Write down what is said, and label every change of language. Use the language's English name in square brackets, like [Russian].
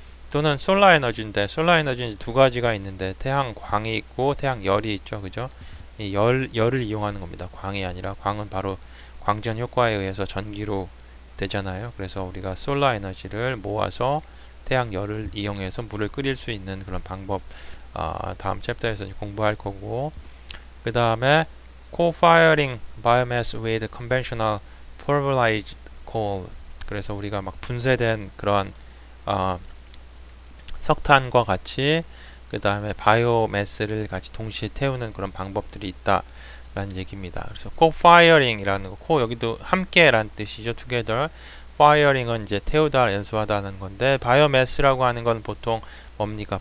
[Korean] 또는 솔라 에너지인데, 솔라 에너지는 두 가지가 있는데, 태양광이 있고, 태양열이 있죠, 그죠? 이 열을 이용하는 겁니다. 광이 아니라, 광은 바로 광전 효과에 의해서 전기로 되잖아요. 그래서 우리가 솔라 에너지를 모아서 태양열을 이용해서 물을 끓일 수 있는 그런 방법, 다음 챕터에서 공부할 거고. 그 다음에, [English] co-firing biomass with conventional pulverized coal. [Korean] 그래서 우리가 막 분쇄된 그런, 석탄과 같이 그 다음에 바이오매스를 같이 동시에 태우는 그런 방법들이 있다라는 얘기입니다. 그래서 코파이어링이라는 거, 코 여기도 함께란 뜻이죠. 투게더. 파이어링은 이제 태우다, 연소하다는 건데 바이오매스라고 하는 건 보통 뭡니까?